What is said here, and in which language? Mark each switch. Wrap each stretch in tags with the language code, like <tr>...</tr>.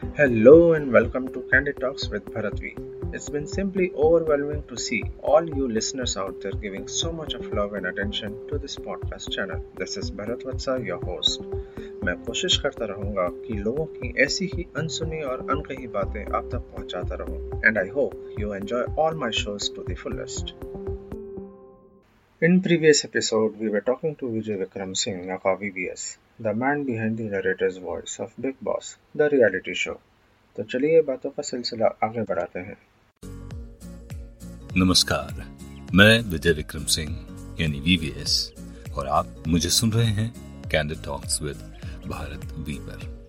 <en>Hello and welcome to Candid Talks with Bharat V. It's been simply overwhelming to see all you listeners out there giving so much of love and attention to this podcast channel. This is Bharat Vatsa, your host.</en> <hi>मैं कोशिश करता रहूँगा कि लोगों की ऐसी ही अनसुनी और अनकही बातें आप तक पहुँचाता रहूँ.</hi> <en>And I hope you enjoy all my shows to the fullest. In previous episode, we were talking to Vijay Vikram Singh, aka V.V.S. The man behind the narrator's voice of Bigg Boss, the reality show.</en> <hi>तो चलिए बातों का सिलसिला आगे बढ़ाते हैं. नमस्कार, मैं विजय विक्रम सिंह यानी VVS और आप मुझे सुन रहे हैं candid talks with Bharat Weaver.</hi>